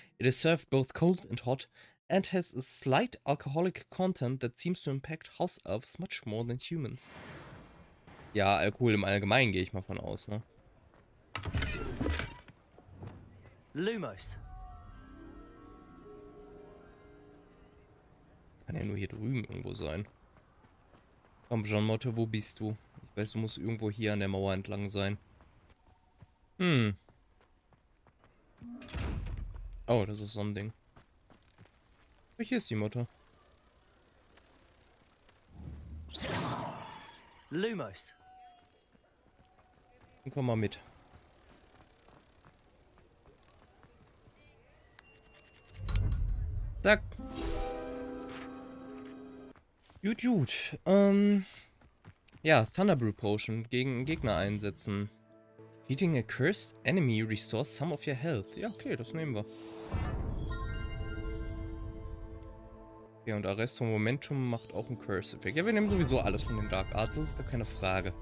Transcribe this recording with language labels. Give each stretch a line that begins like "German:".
English: It is served both cold and hot and has a slight alcoholic content that seems to impact house elves much more than humans.
German: Ja, Alkohol im Allgemeinen gehe ich mal von aus, ne? Lumos. Kann ja nur hier drüben irgendwo sein. Komm, Jean-Motte, wo bist du? Ich weiß, du musst irgendwo hier an der Mauer entlang sein. Hm. Oh, das ist so ein Ding. Oh, hier ist die Mutter. Lumos. Komm mal mit. Zack. Gut, gut. Ja, Thunderbrew Potion gegen Gegner einsetzen.
English: Feeding a cursed enemy restores some of your health.
German: Ja, okay, das nehmen wir. Ja, und Arrest vom Momentum macht auch einen Curse-Effekt. Ja, wir nehmen sowieso alles von den Dark Arts, das ist gar keine Frage.